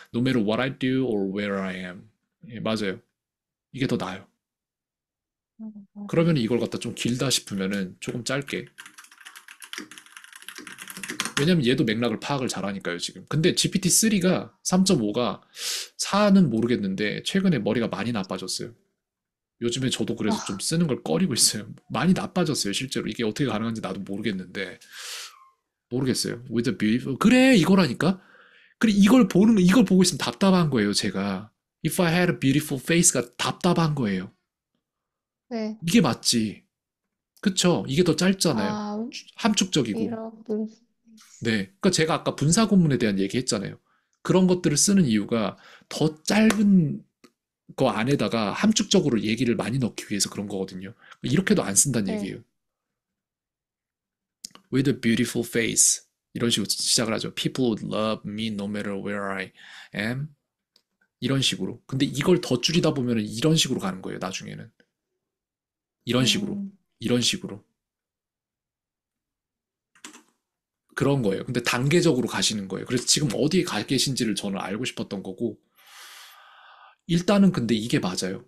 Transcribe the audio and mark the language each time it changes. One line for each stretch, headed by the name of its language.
English: No matter what I do or where I am.
Korean: 예, 맞아요. 이게 더 나아요. 그러면 이걸 갖다 좀 길다 싶으면은 조금 짧게. 왜냐면 얘도 맥락을 파악을 잘하니까요, 지금. 근데 GPT-3가, 3.5가, 4는 모르겠는데, 최근에 머리가 많이 나빠졌어요. 요즘에 저도 그래서 좀 쓰는 걸 꺼리고 있어요. 많이 나빠졌어요, 실제로. 이게 어떻게 가능한지 나도 모르겠는데. 모르겠어요.
English: With a beautiful,
Korean: 그래! 이거라니까? 그래, 이걸 보고 있으면 답답한 거예요, 제가.
English: If I had a beautiful face가
Korean: 답답한 거예요. 네. 이게 맞지. 그쵸? 이게 더 짧잖아요. 아, 함축적이고. 이런 분. 네. 그니까 제가 아까 분사구문에 대한 얘기 했잖아요. 그런 것들을 쓰는 이유가 더 짧은 거 안에다가 함축적으로 얘기를 많이 넣기 위해서 그런 거거든요. 이렇게도 안 쓴단 네. 얘기예요.
English: With a beautiful face.
Korean: 이런 식으로 시작을 하죠.
English: People would love me no matter where I am.
Korean: 이런 식으로. 근데 이걸 더 줄이다 보면은 이런 식으로 가는 거예요, 나중에는. 이런 식으로. 이런 식으로. 그런 거예요. 근데 단계적으로 가시는 거예요. 그래서 지금 어디에 가 계신지를 저는 알고 싶었던 거고, 일단은 근데 이게 맞아요.